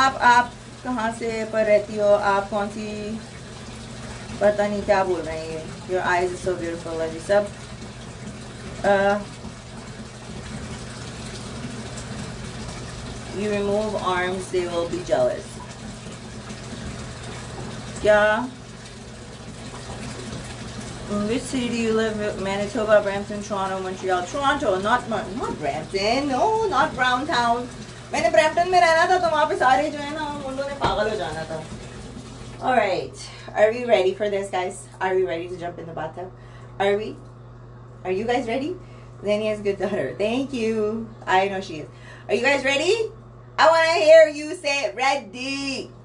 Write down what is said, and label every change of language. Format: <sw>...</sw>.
<hi>आप कहाँ से पर रहती हो, आप कौन सी, पता नहीं क्या बोल रहे हैं,</hi> <en>your eyes is so beautiful</en> <hi>जी सब।</hi> <en>You remove arms, they will be jealous. Yeah. In which city do you live? Manitoba, Brampton, Toronto, Montreal. Toronto, not Brampton. No, not Brown Town.</en> <hi>मैंने Brampton में रहना था तो वहाँ पे सारे जो है ना उन लोगों ने पागल हो जाना था।</hi> <en>All right. Are we ready for this, guys? Are we ready to jump in the bathtub? Are we? Are you guys ready? Zanny has good daughter. Thank you. I know she is. Are you guys ready? I want to hear you say ready.</en>